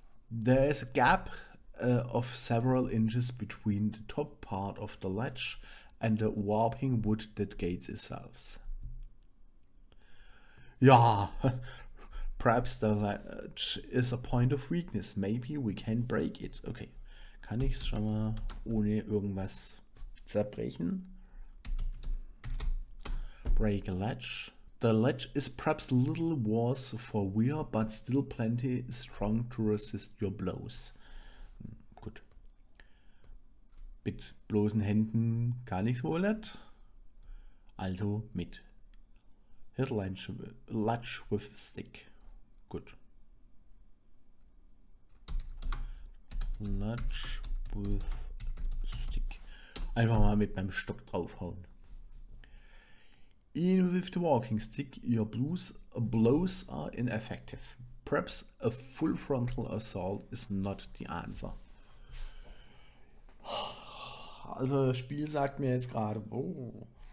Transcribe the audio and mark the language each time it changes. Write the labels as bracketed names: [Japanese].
[English] There is a gap of several inches between the top part of the latch and the warping wood that gates itself. Ja, perhaps the latch is a point of weakness. Maybe we can break it. [German] Okay, kann ich es schon mal ohne irgendwas zerbrechen? [English] Break a latch. The latch is perhaps a little worse for wear, but still plenty strong to resist your blows. [German] Gut. Mit bloßen Händen gar nichts wohl nicht. Also mit. [English] Hit latch with stick. Gut. Latch with stick. [German] Einfach mal mit meinem Stock draufhauen. [English] Even with the walking stick, your blows are ineffective. Perhaps a full frontal assault is not the answer. [German] Also das Spiel sagt mir jetzt gerade, oh.